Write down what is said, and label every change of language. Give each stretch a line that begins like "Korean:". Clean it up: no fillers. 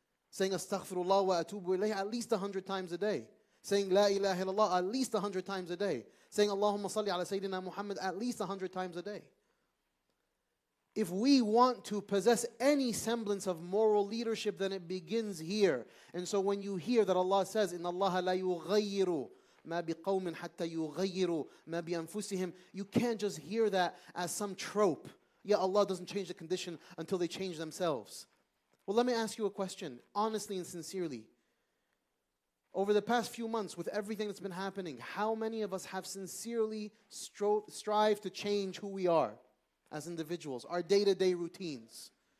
English: Saying
Arabic: astaghfirullah wa atubu ilayhi
English: at least 100 times a day. Saying
Arabic: la ilaha illallah
English: at least 100 times a day. Saying
Arabic: Allahumma salli ala Sayyidina Muhammad
English: at least 100 times a day. If we want to possess any semblance of moral leadership, then it begins here. And so when you hear that Allah says,
Arabic: إِنَّ اللَّهَ لَا يُغَيِّرُ ما بقوم حتى يغيروا ما بأنفسهم.
English: You can't just hear that as some trope. Yeah, Allah doesn't change the condition until they change themselves. Well, let me ask you a question, honestly and sincerely. Over the past few months, with everything that's been happening, how many of us have sincerely strived to change who we are as individuals, our day-to-day routines?